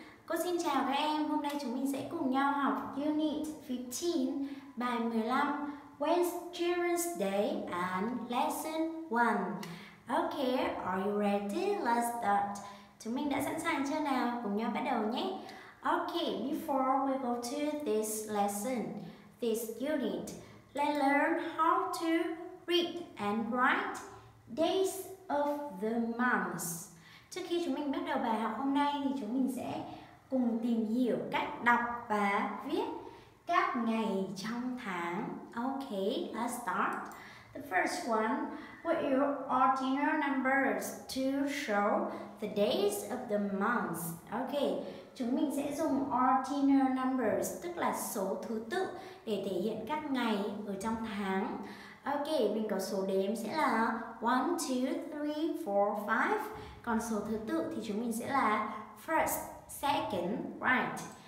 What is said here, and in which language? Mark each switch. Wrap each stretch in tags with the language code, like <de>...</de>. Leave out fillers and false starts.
<vi>Cô xin chào các em, hôm nay chúng mình sẽ cùng nhau học Unit 15, bài 15, When's Children's Day and Lesson 1.</vi> <en>Okay, are you ready? Let's start.</en> <vi>Chúng mình đã sẵn sàng chưa nào? Cùng nhau bắt đầu nhé.</vi> <en>Okay, before we go to this lesson, this unit, let's learn how to read and write days of the month.</en> <vi>Trước khi chúng mình bắt đầu bài học hôm nay thì chúng mình sẽ cùng tìm hiểu cách đọc và viết các ngày trong tháng.</vi> <en>Okay, let's start. The first one, what your ordinal numbers to show the days of the month.</en> <vi>Okay, chúng mình sẽ dùng ordinal numbers, tức là số thứ tự, để thể hiện các ngày ở trong tháng. Ok, mình có số đếm sẽ là 1, 2, 3, 4, 5. Còn số thứ tự thì chúng mình sẽ là first, second, right.</vi>